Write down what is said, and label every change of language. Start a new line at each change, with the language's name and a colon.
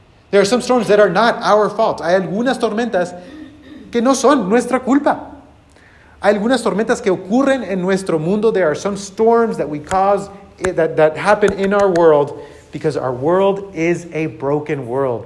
English: There are some storms that are not our fault.
Spanish: Hay algunas tormentas que no son nuestra culpa. Hay algunas tormentas que ocurren en nuestro mundo.
English: There are some storms that we cause, that happen in our world, because our world is a broken world.